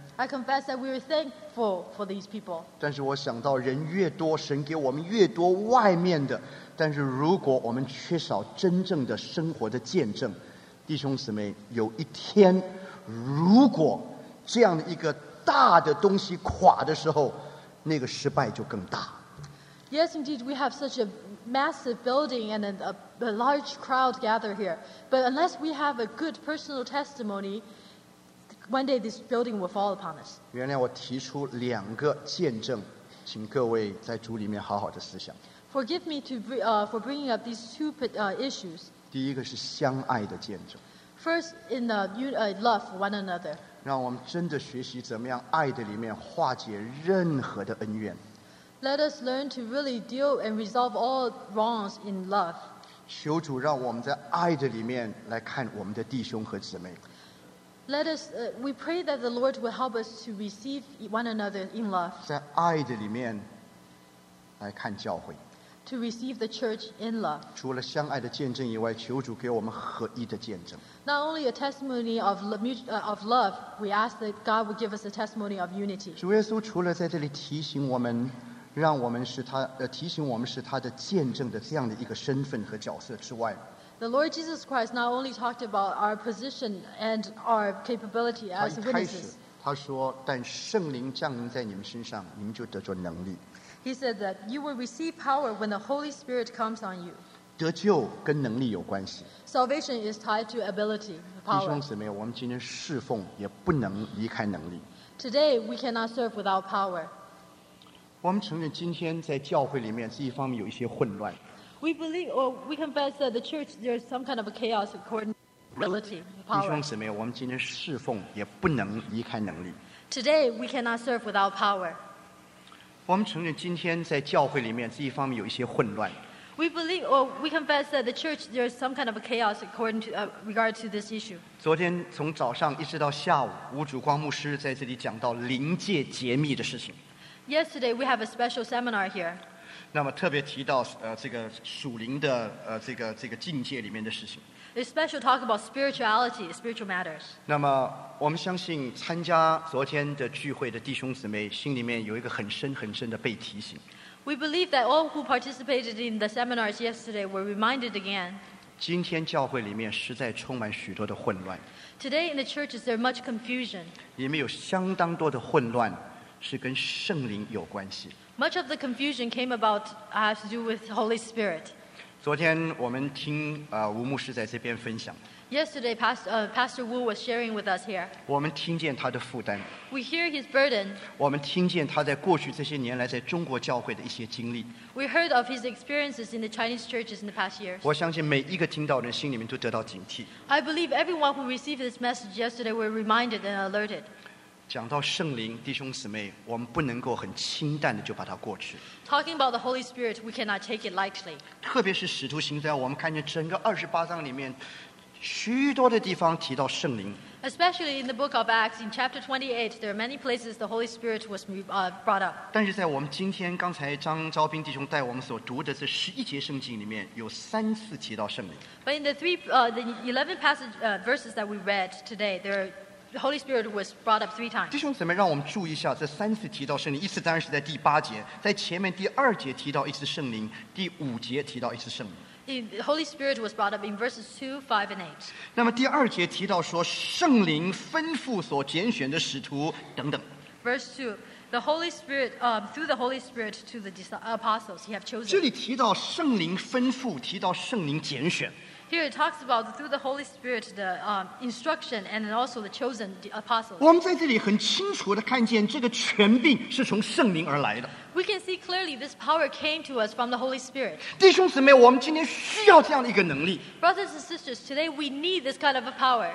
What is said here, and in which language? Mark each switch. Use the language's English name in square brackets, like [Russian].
[English] I confess that we are thankful for these people. [Chinese] 但是我想到人越多，神给我们越多外面的。但是如果我们缺少真正的生活的见证，弟兄姊妹，有一天，如果这样的一个大的东西垮的时候，那个失败就更大。 [English] Yes, indeed, we have such a massive building and a large crowd gather here. But unless we have a good personal testimony, one day this building will fall upon us. [Chinese] 原来我提出两个见证，请各位在主里面好好的思想。 [English] Forgive me for bringing up these two issues. [Chinese] 第一个是相爱的见证。 [English] First, in the love for one another. [Chinese] 让我们真的学习怎么样爱的里面化解任何的恩怨。 [English] Let us learn to really deal and resolve all wrongs in love. [Chinese] 求主让我们在爱的里面来看我们的弟兄和姊妹。 [English] Let us, we pray that the Lord will help us to receive one another in love. [Chinese] 在爱的里面来看教会。 [English] To receive the church in love. [Chinese] 除了相爱的见证以外，求主给我们合一的见证。 [English] Not only a testimony of love, we ask that God would give us a testimony of unity. [Chinese] 主耶稣除了在这里提醒我们，让我们是他提醒我们是他的见证的这样的一个身份和角色之外。 [English] The Lord Jesus Christ not only talked about our position and our capability as witnesses. [Chinese] 他说，但圣灵降临在你们身上，你们就得着能力。 [English] He said that you will receive power when the Holy Spirit comes on you. [Chinese] 得救跟能力有关系。 [English] Salvation is tied to ability, power. [Chinese] 弟兄姊妹，我们今天侍奉也不能离开能力。 [English] Today we cannot serve without power. [Chinese] 我们承认今天在教会里面这一方面有一些混乱。 [English] We believe, or we confess that the church there is some kind of a chaos according to ability, power. [Chinese] 弟兄姊妹，我们今天侍奉也不能离开能力。 [English] Today we cannot serve without power. [Chinese] 我们承认今天在教会里面这一方面有一些混乱。 [English] We believe, or we confess that the church there is some kind of a chaos according to regard to this issue. [Chinese] 昨天从早上一直到下午，吴主光牧师在这里讲到灵界揭秘的事情。 [English] Yesterday we have a special seminar here. [Chinese] 那么特别提到这个属灵的这个境界里面的事情。 [English] Especially talk about spirituality, spiritual matters. [Chinese] 那么我们相信参加昨天的聚会的弟兄姊妹心里面有一个很深很深的被提醒。 [English] We believe that all who participated in the seminars yesterday were reminded again. [Chinese] 今天教会里面实在充满许多的混乱。 [English] Today in the churches there is much confusion. [Chinese] 里面有相当多的混乱是跟圣灵有关系。 [English] Much of the confusion came about has to do with the Holy Spirit. [Chinese] 昨天我们听吴牧师在这边分享。 [English] Yesterday, Pastor Wu was sharing with us here. [Chinese] 我们听见他的负担。 [English] We hear his burden. [Chinese] 我们听见他在过去这些年来在中国教会的一些经历。 [English] We heard of his experiences in the Chinese churches in the past years. [Chinese] 我相信每一个听到的人心里面都得到警惕。 [English] I believe everyone who received this message yesterday were reminded and alerted. [Chinese] 讲到圣灵，弟兄姊妹，我们不能够很清淡的就把它过去。 [English] Talking about the Holy Spirit, we cannot take it lightly. [Chinese] 特别是使徒行传，我们看见整个二十八章里面，许多的地方提到圣灵。 [English] Especially in the book of Acts, in chapter 28, there are many places the Holy Spirit was brought up. [Chinese] 但是在我们今天刚才张昭斌弟兄带我们所读的这十一节圣经里面，有三次提到圣灵。 [English] But in the 11 passage verses that we read today, there areThe Holy Spirit was brought up three times. [Chinese] 弟兄姊妹，让我们注意一下，这三次提到圣灵，一次当然是在第八节，在前面第二节提到一次圣灵，第五节提到一次圣灵。 [English] The Holy Spirit was brought up in verses 2, 5, and 8. [Chinese] 那么第二节提到说圣灵吩咐所拣选的使徒等等。 [English] Verse 2, the Holy Spirit, through the Holy Spirit to the apostles he have chosen. [Chinese] 这里提到圣灵吩咐，提到圣灵拣选。 [English] Here it talks about through the Holy Spirit, the instruction and also the chosen apostles. [Chinese] 我们在这里很清楚地看见这个权柄是从圣灵而来的。 [English] We can see clearly this power came to us from the Holy Spirit. [Chinese] 弟兄姊妹，我们今天需要这样的一个能力。 [English] Brothers and sisters, today we need this kind of a power.